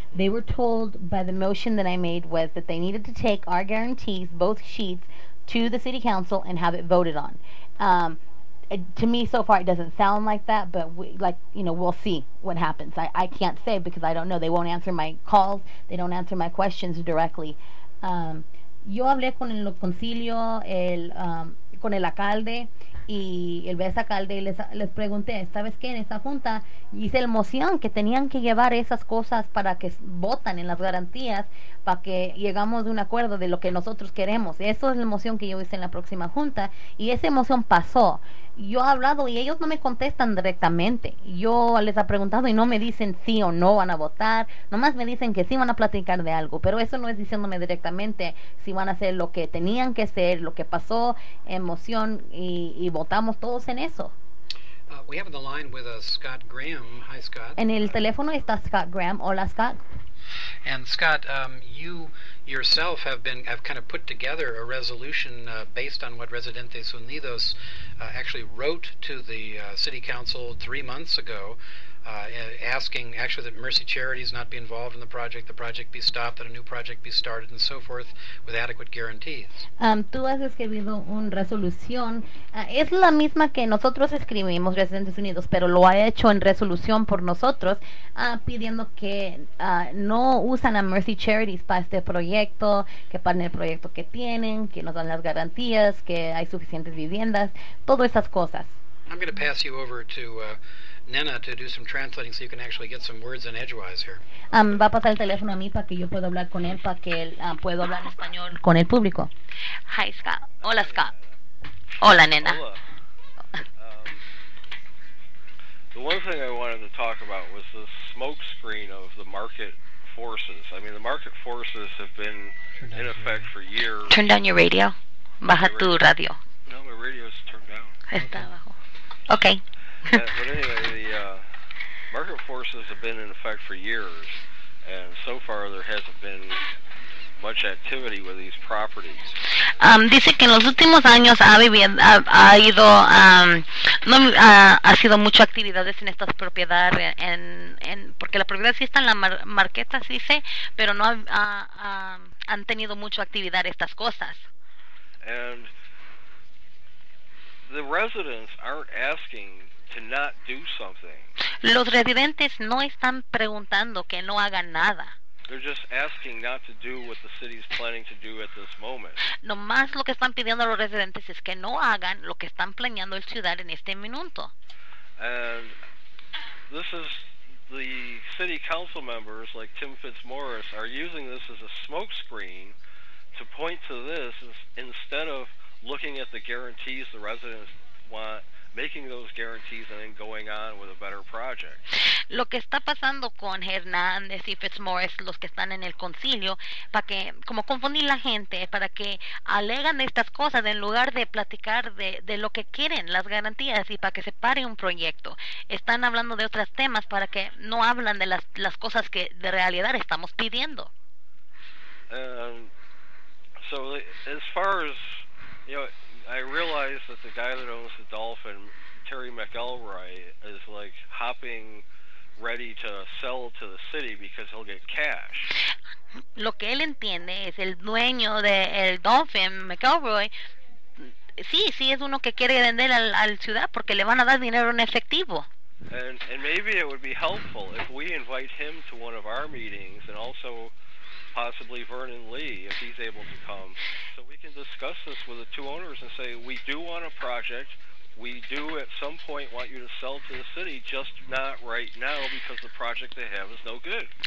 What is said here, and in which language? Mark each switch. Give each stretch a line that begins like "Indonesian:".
English: They were told by the motion that I made was that they needed to take our guarantees, both sheets, to the city council and have it voted on. To me, so far, it doesn't sound like that, but we'll see what happens. I can't say because I don't know. They won't answer my calls. They don't answer my questions directly.
Spanish: Yo hablé con el concilio, con el alcalde y el vice alcalde, y les pregunté, ¿sabes qué? En esa junta hice la moción que tenían que llevar esas cosas para que votan en las garantías, para que llegamos a un acuerdo de lo que nosotros queremos. Eso es la moción que yo hice en la próxima junta, y esa moción pasó. Yo he hablado y ellos no me contestan directamente. Yo les he preguntado y no me dicen sí o no van a votar. Nomás me dicen que sí van a platicar de algo, pero eso no es diciéndome directamente si van a hacer lo que tenían que hacer, lo que pasó, emoción, y votamos todos en eso.
English: We have on the line with Scott Graham. Hi, Scott.
Spanish: En el teléfono está Scott Graham. Hola, Scott.
English: And Scott, you yourself have kind of put together a resolution based on what Residentes Unidos actually wrote to the city council 3 months ago, asking actually that Mercy Charities not be involved in the project be stopped, that a new project be started, and so forth, with adequate guarantees.
Spanish: Tú has escrito una resolución. Es la misma que nosotros escribimos, Residentes Unidos, pero lo ha hecho en resolución por nosotros, pidiendo que no usan a Mercy Charities para este proyecto, que paren el proyecto que tienen, que nos dan las garantías, que hay suficientes viviendas, todas esas cosas.
English: I'm going to pass you over to Nena to do some translating so you can actually get some words in edgewise here.
Spanish: Va a pasar el teléfono a mí para que yo pueda hablar con él, para que él pueda hablar en español con el público.
English: Hi, Scott.
Spanish: Hola, Scott. Hola, Nena.
English: The one thing I wanted to talk about was the smokescreen of the market forces. I mean, the market forces have been in effect for years. Turn down your radio.
Spanish: Baja tu radio.
English: No, my radio is turned down.
Spanish: Está abajo. Okay.
English: But anyway, the market forces have been in effect for years, and so far there hasn't been much activity with these properties.
Spanish: Dice que en los últimos años ha sido mucho actividades en estas propiedades, en porque la propiedad sí está en la marqueta, sí sé, pero no han tenido mucho actividad estas cosas.
English: And the residents aren't asking to not do something.
Spanish: Los residentes no están preguntando que no hagan nada.
English: They're just asking not to do what the city's planning to do at this moment.
Spanish: Nomás lo que están pidiendo a los residentes es que no hagan lo que están planeando el ciudad en este minuto.
English: And this is the city council members like Tim Fitzmaurice are using this as a smokescreen to point to this instead of looking at the guarantees the residents want making those guarantees and then going on with a better project.
Spanish: Lo que está pasando con Hernández y Fitzmaurice, los que están en el concilio, para que, como confundir la gente, para que alegan estas cosas en lugar de platicar de lo que quieren, las garantías, y para que se pare un proyecto. Están hablando de otros temas para que no hablan de las cosas que de realidad estamos pidiendo.
English: So as far as, you know, I realize that the guy that owns the Dolphin, Terry McElroy, is like hopping ready to sell to the city because he'll get cash.
Spanish: Lo que él entiende es el dueño de el Dolphin, McElroy, sí, sí es uno que quiere vender al ciudad porque le van a dar dinero en efectivo.
English: And maybe it would be helpful if we invite him to one of our meetings and also possibly Vernon Lee, if he's able to come, so we can discuss this with the two owners and say, we do want a project. We do at some point want you to sell to the city, just not right now because the project they have is no good.